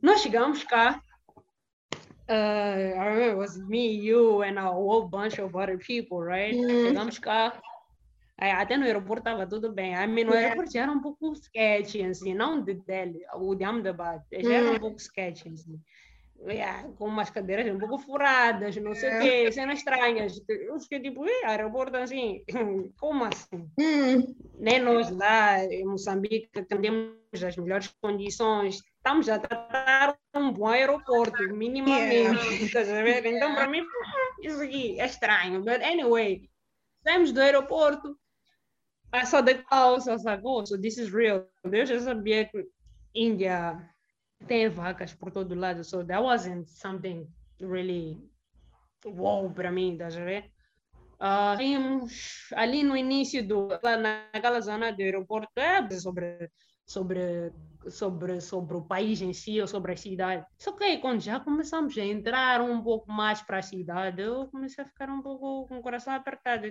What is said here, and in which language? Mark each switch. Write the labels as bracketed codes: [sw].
[pt] Nós chegamos cá, [en] I remember it was me, you, and a whole bunch of other people, right? [pt] Chegamos cá, até no aeroporto estava tudo bem. [en] I mean, [pt] o aeroporto era um pouco sketchy, assim, não de Delhi, o de Ahmedabad, já era um pouco sketchy, assim. com umas cadeiras um pouco furadas, não sei o quê, cenas estranhas. Eu fiquei tipo, aeroporto assim, como assim? Nem nós lá em Moçambique temos as melhores condições. Estamos a tratar um bom aeroporto, minimamente. Então, para mim, isso aqui é estranho. [en] But anyway, [pt] saímos do aeroporto, passou de calça, sacou? [en] So this is real. [pt] Eu já sabia que Índia tem vacas por todo lado. [en] So that wasn't something really wow [pt] para mim, tá a ver? Vimos ali no início, naquela zona do aeroporto, sobre o país em si, ou sobre a cidade. Só que aí, quando já começamos a entrar um pouco mais para a cidade, eu comecei a ficar um pouco com o coração apertado.